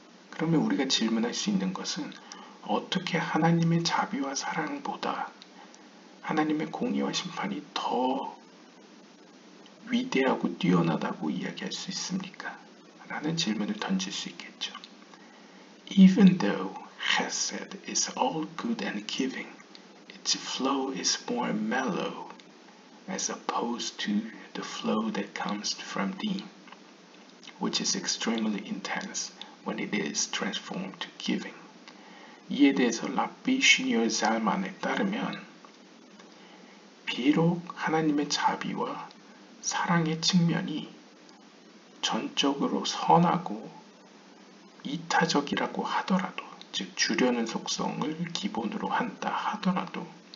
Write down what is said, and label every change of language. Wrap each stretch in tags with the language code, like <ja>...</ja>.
<ko>그러면 우리가 질문할 수 있는 것은 어떻게 하나님의 자비와 사랑보다 하나님의 공의와 심판이 더 위대하고 뛰어나다고 이야기할 수 있습니까? 라는 질문을 던질 수 있겠죠.</ko> <en>Even though Hesed is all good and giving, its flow is more mellow as opposed to the flow that comes from Dean, which is extremely intense when it is transformed to giving.</en> <ko>이에 대해서 라비 슈니얼 잘만에 따르면 비록 하나님의 자비와 사랑의 측면이 전적으로 선하고 이타적이라고 하더라도 즉 주려는 속성을 기본으로 한다 하더라도</ko>